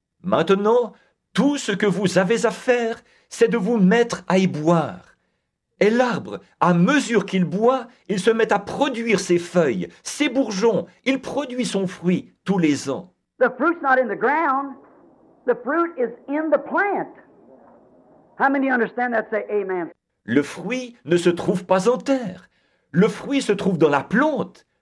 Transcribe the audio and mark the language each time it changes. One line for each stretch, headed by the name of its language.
French: Maintenant, tout ce que vous avez à faire, c'est de vous mettre à y boire. Et l'arbre, à mesure qu'il boit, il se met à produire ses feuilles, ses bourgeons. Il produit son fruit tous les ans.
English: The fruit's not in the ground. The fruit is in the plant. How many understand that? Say amen.
French: Le fruit ne se trouve pas en terre. Le fruit se trouve dans la plante.